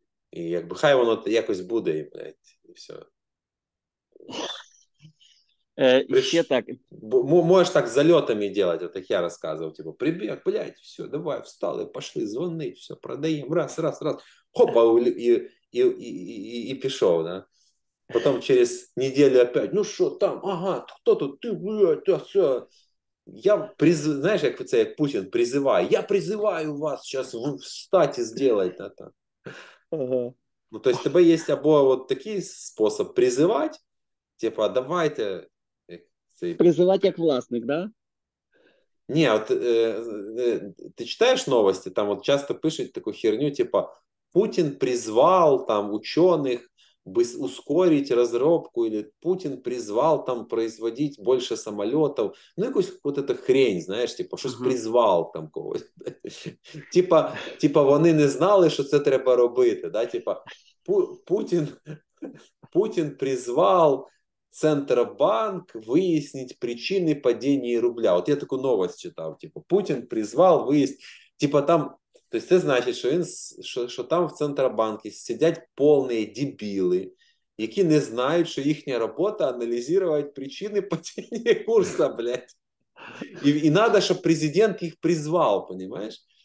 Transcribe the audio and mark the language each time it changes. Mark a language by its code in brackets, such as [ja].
[uk] І якби хай воно якось буде, і, блядь, і все. Ще так. Можеш так зальотами делать, от як я розказував, типу, прибіг, блядь, все, давай, встали, пошли, дзвонить, все, продаємо, раз, раз, раз, хопа, і пішов, да? [ru] Потом через неделю опять, ну что там, ага, кто тут, ты, блядь, а все. Знаешь, как это, как Путин призывает, я призываю вас сейчас встать и сделать это. Ага. Ну, то есть, тебе есть або вот такой способ призывать, типа, давайте. Призывать как властник, да? Не, вот ты читаешь новости, там вот часто пишут такую херню, типа, Путин призвал там ученых, бы ускорить разработку, или Путин призвал там производить больше самолетов. Ну, якусь вот эта хрень, знаешь, типа, что-то призвал там кого-то. Типа, [uk] вони не знали, [ru] что [uk] це треба робити, [ru] да, типа, Путин призвал Центробанк выяснить причины падения рубля. Вот я такую новость читал, типа, Путин призвал выяснить, типа, там... То есть [uk] це значить, що що там в Центробанку сидять повні дебіли, які не знають, що їхня робота аналізувати причини падіння курсу, блядь. І треба, щоб президент їх призвав, розумієш?